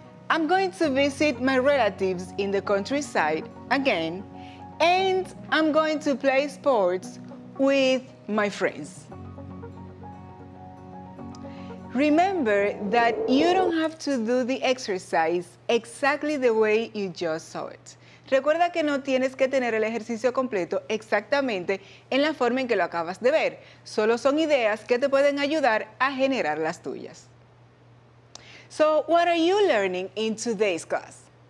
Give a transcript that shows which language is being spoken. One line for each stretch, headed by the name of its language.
English: I'm going to visit my relatives in the countryside again, and I'm going to play sports with my friends. Remember that you don't have to do the exercise exactly the way you just saw it.
Spanish: Recuerda que no tienes que tener el ejercicio completo exactamente en la forma en que lo acabas de ver. Solo son ideas que te pueden ayudar a generar las tuyas.
English: So, what are you learning in today's class?